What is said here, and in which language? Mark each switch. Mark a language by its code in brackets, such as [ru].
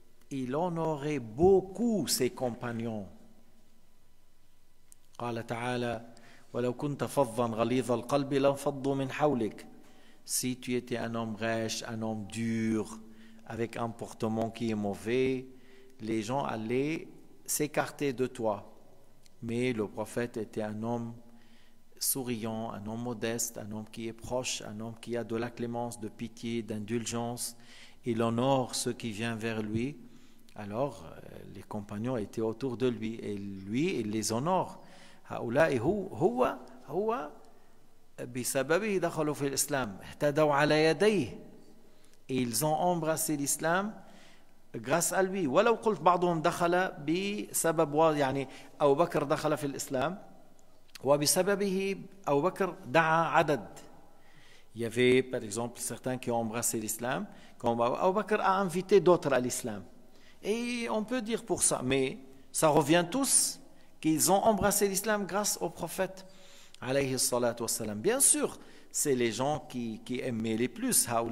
[fr] Il honorait beaucoup ses compagnons. [ar] قال تعالى ولو كنت فظا غليظ القلب لانفضوا من حولك. [fr] Si tu étais un homme rêche, un homme dur, avec un comportement qui est mauvais, les gens allaient s'écarter de toi. Mais le prophète était un homme souriant, un homme modeste, un homme qui est proche, un homme qui a de la clémence, de pitié, d'indulgence. Il honore ceux qui viennent vers lui. Alors les compagnons étaient autour de lui et lui, il les honore. [ar] هؤلاء هو بسببه دخلوا في الإسلام اهتدوا على يديه. [fr] Ils ont embrassé l'islam grâce à lui. [ar] ولو قلت بعضهم دخل بسبب يعني أبو بكر دخل في الإسلام وبسببه أبو بكر دعا عدد. [fr] Il y avait par exemple certains qui ont embrassé l'islam comme أبو بكر a invité d'autres à l'islam. Et on peut dire pour ça, mais ça revient tous qu'ils ont embrassé l'islam grâce au prophète alayhi salatu wassalam. Bien sûr, c'est les gens qui aimaient les plus.